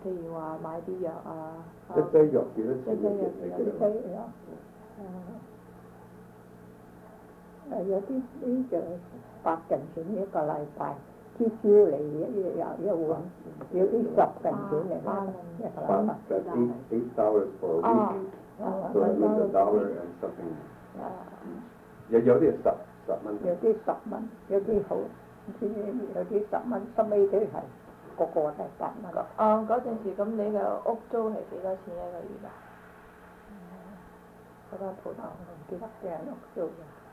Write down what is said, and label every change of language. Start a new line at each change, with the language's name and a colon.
Cantonese: 譬如話買啲藥啊，一劑藥幾多錢？一劑藥，有啲呢就百銀錢一個禮拜，啲燒嚟一碗，有啲十銀錢嚟啦，一個禮拜。
English: $8 for a week, so at least $1 and something.
Cantonese: 有啲十蚊。有啲十蚊，有啲好，有啲十蚊，收尾都係。個個都係八蚊。嗰陣時咁，你嘅屋租係幾多錢一個月啊？嗰間鋪頭唔記得嘅屋租嘅。